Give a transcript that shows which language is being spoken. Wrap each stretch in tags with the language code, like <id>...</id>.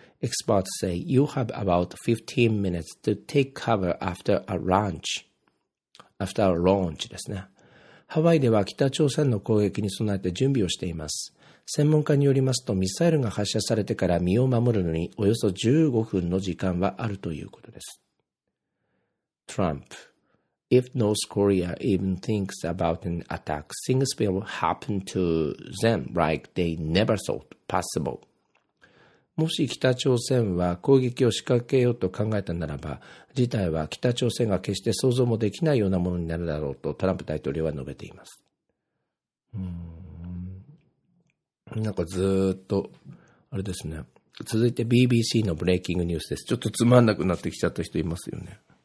<en>Experts say you have about 15 minutes to take cover after a launch. After a launch</en> <ja>ですね。ハワイでは北朝鮮の攻撃に備えて準備をしています。専門家によりますと、ミサイルが発射されてから身を守るのにおよそ15分の時間はあるということです。</ja> <en>Trump: If North Korea even thinks about an attack, things will happen to them like they never thought possible.</en> <ja>もし北朝鮮は攻撃を仕掛けようと考えたならば、事態は北朝鮮が決して想像もできないようなものになるだろうとトランプ大統領は述べています。なんかずーっと、あれですね。続いて BBC のブレイキングニュースです。ちょっとつまんなくなってきちゃった人いますよね。</ja>